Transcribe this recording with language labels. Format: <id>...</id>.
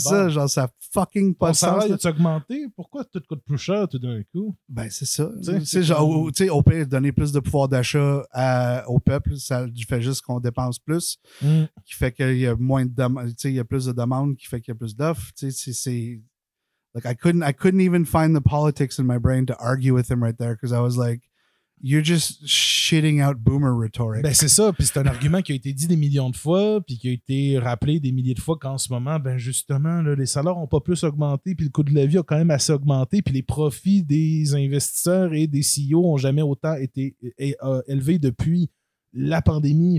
<fr>C'est ça, genre, ça fucking pas de sens. Ton salaire a augmenté? Pourquoi tout coûte plus cher tout d'un coup? Ben, c'est ça. T'sais, au pire, donner plus de pouvoir d'achat au peuple, ça fait juste qu'on dépense plus, qui fait qu'il y a moins de demandes, tu sais, il y a plus de demandes, qui fait qu'il y a plus d'offres. Tu sais, c'est...</fr> <en>Like, I couldn't even find the politics in my brain to argue with him right there, because I was like, you're just shitting out boomer rhetoric.</en> <fr>Ben, c'est ça. Puis c'est un argument qui a été dit des millions de fois, puis qui a été rappelé des milliers de fois qu'en ce moment, ben, justement, là, les salaires n'ont pas plus augmenté, puis le coût de la vie a quand même assez augmenté, puis les profits des investisseurs et des CEO n'ont jamais autant été élevés depuis la pandémie.</fr>